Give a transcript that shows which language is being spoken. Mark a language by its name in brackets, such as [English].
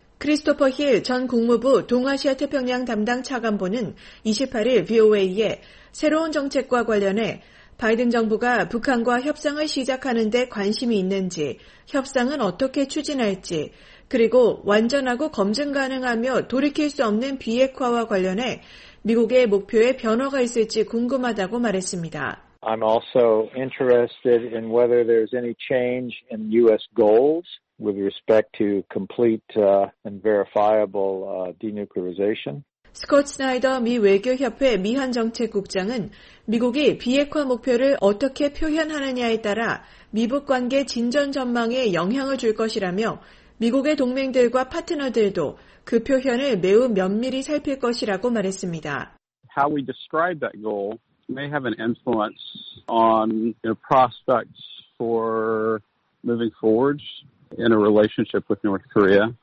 [Korean] 크리스토퍼 힐 전 국무부 동아시아 태평양 담당 차관보는 28일 VOA에 새로운 정책과 관련해 바이든 정부가 북한과 협상을 시작하는 데 관심이 있는지, 협상은 어떻게 추진할지, 그리고 완전하고 검증 가능하며 돌이킬 수 없는 비핵화와 관련해 미국의 목표에 변화가 있을지 궁금하다고 말했습니다. [English] I'm also interested in whether there's any change in U.S. goals with respect to complete and verifiable denuclearization. [Korean] 스콧 스나이더 미 외교협회 미한정책국장은 미국이 비핵화 목표를 어떻게 표현하느냐에 따라 미북 관계 진전 전망에 영향을 줄 것이라며 미국의 동맹들과 파트너들도 그 표현을 매우 면밀히 살필 것이라고 말했습니다. [English] How we describe that goal may have an influence on the prospects for moving forward in a relationship with North Korea.